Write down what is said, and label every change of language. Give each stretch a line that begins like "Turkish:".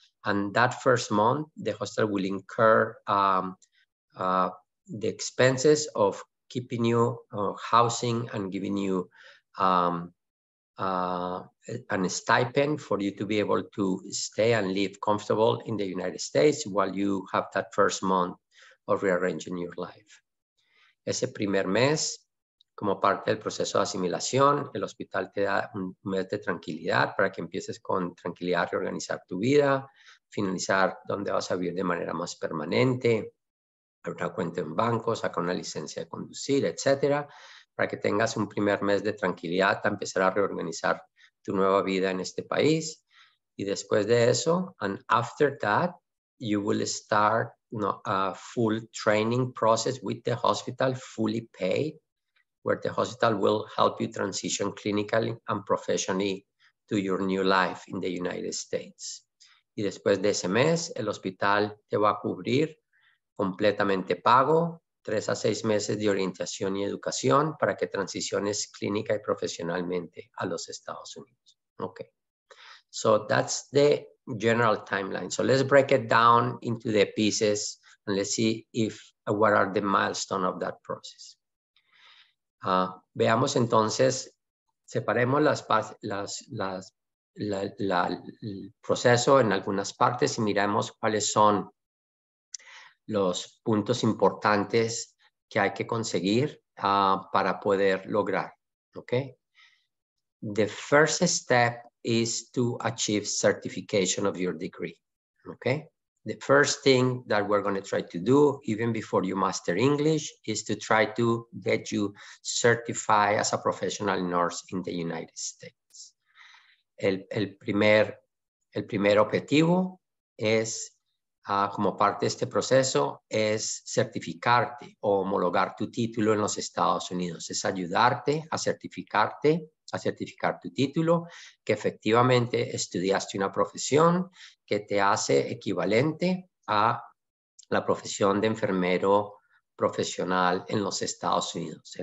English: And that first month, the hostel will incur the expenses of keeping you housing and giving you an stipend for you to be able to stay and live comfortable in the United States while you have that first month of rearranging your life.
Spanish: Ese primer mes, como parte del proceso de asimilación, el hospital te da un mes de tranquilidad para que empieces con tranquilidad a reorganizar tu vida, finalizar dónde vas a vivir de manera más permanente, abrir una cuenta en banco, sacar una licencia de conducir, etcétera, para que tengas un primer mes de tranquilidad a empezar a reorganizar tu nueva vida en este país. Y después de eso,
English: and after that, you will start a full training process with the hospital, fully paid, where the hospital will help you transition clinically and professionally to your new life in the United States.
Spanish: Y después de ese mes, el hospital te va a cubrir completamente pago, 3 a 6 meses de orientación y educación para que transiciones clínica y profesionalmente a los Estados Unidos.
English: Okay. So that's the general timeline. So let's break it down into the pieces and let's see if what are the milestones of that process.
Spanish: Veamos entonces, separemos el proceso en algunas partes y miremos cuáles son los puntos importantes que hay que conseguir para poder lograr, okay?
English: The first step is to achieve certification of your degree, okay? The first thing that we're gonna try to do, even before you master English, is to try to get you certified as a professional nurse in the United States.
Spanish: El primer objetivo es como parte de este proceso es certificarte o homologar tu título en los Estados Unidos. Es ayudarte a certificarte, a certificar tu título, que efectivamente estudiaste una profesión que te hace equivalente a la profesión de enfermero profesional en los Estados Unidos.